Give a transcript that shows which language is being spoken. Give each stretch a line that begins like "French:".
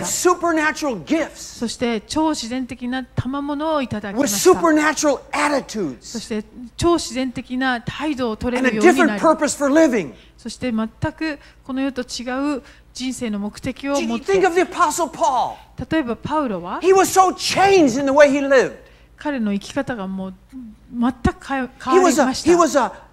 English: That have gifts, supernatural gifts.
Japanese: そして超自然的な賜物をいただきました。
English: With supernatural attitudes.
Japanese: そして超自然的な態度を取れるようになり。
English: And a different purpose for living.
Japanese: そして全くこの世と違う人生の目的を持って。
English: Think of the Apostle Paul.
Japanese: 例えばパウロは。
English: He was so changed in the way he lived.
Japanese: 彼の生き方がもう全く変わりました。